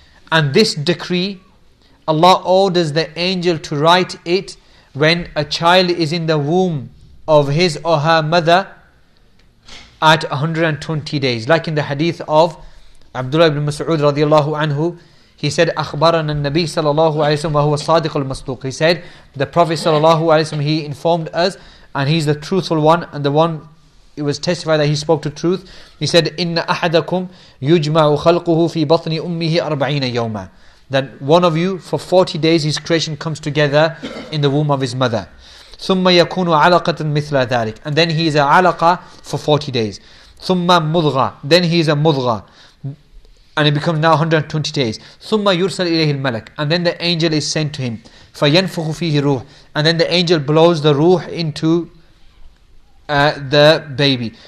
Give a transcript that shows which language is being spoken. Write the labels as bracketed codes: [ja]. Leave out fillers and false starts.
[en] And this decree, Allah orders the angel to write it when a child is in the womb of his or her mother at 120 days. Like in the hadith of Abdullah ibn Mas'ud radiallahu anhu, he said, [ar] أخبرنا النبي صلى الله عليه وسلم وهو الصادق المصدوق. [en] He said, the Prophet صلى الله عليه وسلم, he informed us, and he's the truthful one, and the one, it was testified that he spoke to truth. He said, [ar] إن أحدكم يجمع خلقه في بطن أمه 40 يوما. [en] That one of you, for 40 days, his creation comes together in the womb of his mother. [ar] ثم يكون علقة مثل ذلك. [en] And then he is a علقة for 40 days. [ar] ثم مضغة. [en] Then he is a مضغة. And it becomes now 120 days. [ar] ثُمَّ يُرْسَلْ إِلَيْهِ الْمَلَكِ, [en] and then the angel is sent to him. [ar] فَيَنْفُخُ فِيهِ رُوحِ, [en] and then the angel blows the ruh into the baby.